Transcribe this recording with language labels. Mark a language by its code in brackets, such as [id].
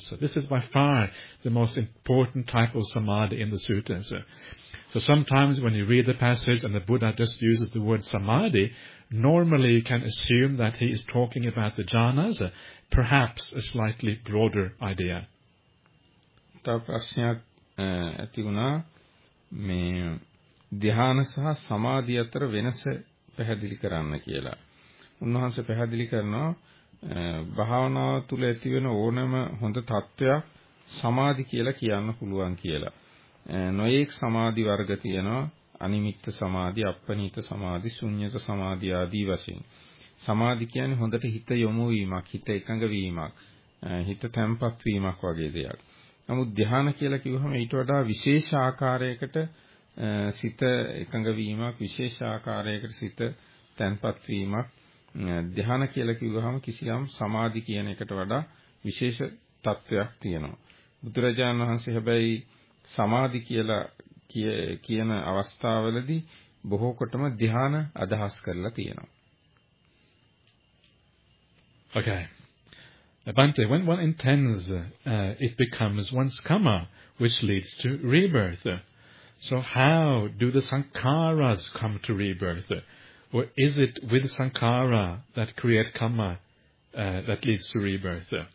[en] So this is by far the most important type of samadhi in the suttas. So sometimes when you read the passage and the Buddha just uses the word samadhi, normally you can assume that he is talking about the jhanas, perhaps a slightly broader idea. [si] තව ප්‍රශ්නයක් ඇති වුණා, මේ ධ්‍යාන සහ සමාධිය අතර වෙනස පැහැදිලි කරන්න කියලා. උන්වහන්සේ පැහැදිලි කරනවා, භාවනාව තුළ ඇතිවන ඕනම හොඳ තත්ත්වයක් සමාධි කියලා කියන්න පුළුවන් කියලා. නොයෙක් සමාධි වර්ග තියෙනවා, අනිමිත්ත සමාධි, අප්පනිත සමාධි, ශුන්‍යත සමාධි ආදී වශයෙන්. සමාධි කියන්නේ හොඳට හිත යොමු වීමක්, හිත එකඟ වීමක්, හිත තැම්පත් වීමක් වගේ දෙයක්. නමුත් ධ්‍යාන කියලා කිව්වම ඊට වඩා විශේෂ ආකාරයකට සිත එකඟ වීමක්, විශේෂ ආකාරයකට සිත තැන්පත් වීමක් ධ්‍යාන කියලා කිව්වහම කිසියම් සමාධි කියන එකට වඩා විශේෂ තත්වයක් තියෙනවා. බුදුරජාණන් වහන්සේ හැබැයි සමාධි කියලා කියන අවස්ථාවවලදී බොහෝ කොටම ධ්‍යාන අදහස් කරලා තියෙනවා. [en] Okay. Abhante, when one intends, it becomes one's karma, which leads to rebirth. So how do the sankharas come to rebirth? Or is it with sankhara that create karma that leads to rebirth?